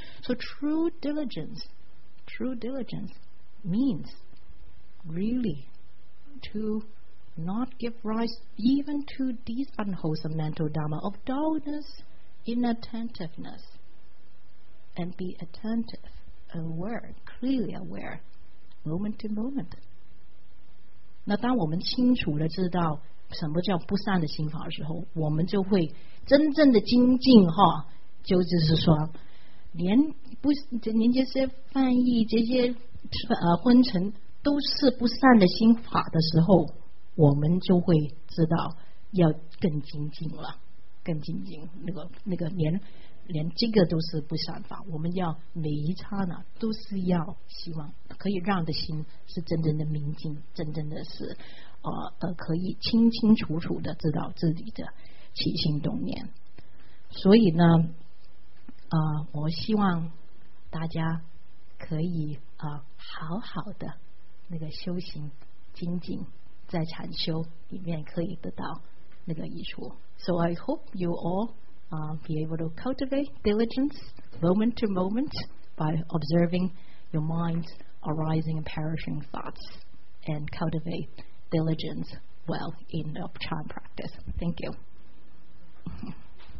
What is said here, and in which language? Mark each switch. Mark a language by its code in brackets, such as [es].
[en] So true diligence means really to. Not give rise even to these unwholesome mental dharma of dullness, inattentiveness, and be attentive, aware, clearly aware, moment to moment. [zh] 那当我们清楚地知道什么叫不善的心法的时候，我们就会真正的精进哈，就只是说，连不连这些犯意这些昏沉都是不善的心法的时候，我们就会知道要更精进了，更精进。那个连这个都是不善法，我们要每一刹那都是要希望可以让的心是真正的明净，真正的是可以清清楚楚的知道自己的起心动念。所以呢，我希望大家可以好好的那个修行精进，在禅修里面可以得到那个益处。 [en] So I hope you all be able to cultivate diligence moment to moment by observing your mind's arising and perishing thoughts and cultivate diligence well in the chan practice. Thank you.